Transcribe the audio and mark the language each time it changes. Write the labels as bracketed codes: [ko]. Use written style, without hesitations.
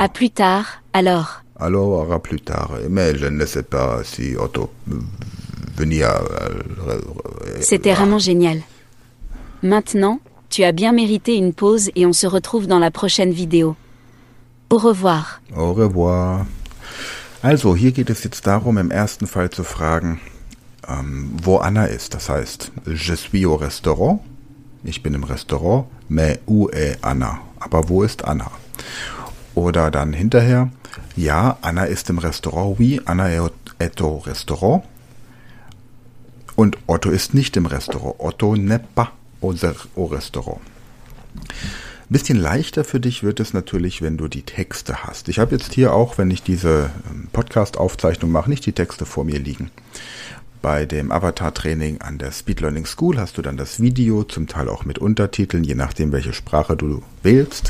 [fr] À plus tard, alors. Alors, à plus tard. Mais je ne sais pas si Otto venait à... C'était vraiment génial. Maintenant, tu as bien mérité une pause et on se retrouve dans la prochaine vidéo. Au revoir. Au revoir. [de] Also, hier geht es jetzt darum, im ersten Fall zu fragen, wo Anna ist. Das heißt, [fr] je suis au restaurant. [de] Ich bin im Restaurant. [fr] Mais où est Anna? [de] Aber wo ist Anna? Oder dann hinterher, ja, Anna ist im Restaurant. [fr] Oui, Anna est au restaurant. [de] Und Otto ist nicht im Restaurant. [fr] Otto n'est pas au restaurant. [de] Ein bisschen leichter für dich wird es natürlich, wenn du die Texte hast. Ich habe jetzt hier auch, wenn ich diese Podcast-Aufzeichnung mache, nicht die Texte vor mir liegen. Bei dem Avatar-Training an der Speed Learning School hast du dann das Video, zum Teil auch mit Untertiteln, je nachdem, welche Sprache du wählst.